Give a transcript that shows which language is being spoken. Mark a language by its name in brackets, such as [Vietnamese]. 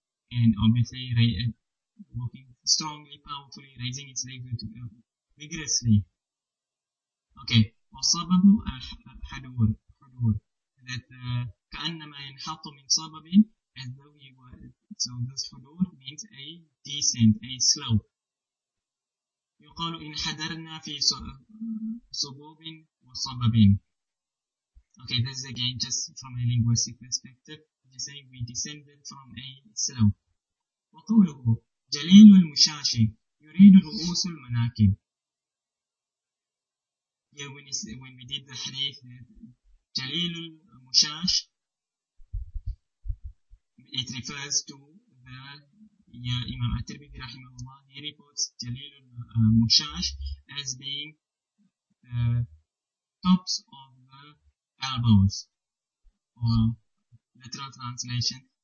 [English] And obviously, walking strongly, powerfully, raising his leg vigorously. Okay, [Arabic] وَصَبَبُ الْحَدُورِ, [English] that [Arabic] كَأَنَّمَا يَنْحَطُ مِنْ صَبَبٍ, [English] as though he were. So this hudur means a descent, a slope. [Arabic] يقال إن حدرنا في صبوب وصبب. [English] Okay, this is again just from a linguistic perspective. You say we descended from a slope. [Arabic] وقوله جليل المشاش يريد رؤوس المناكب. [English] Yeah, when we did the hadith, [Arabic] جليل المشاش, [English] it refers to Imam At-Tirmidhi rahimahullah, he reports Jalil al-Mushash as being the tops of the elbows, or literal translation,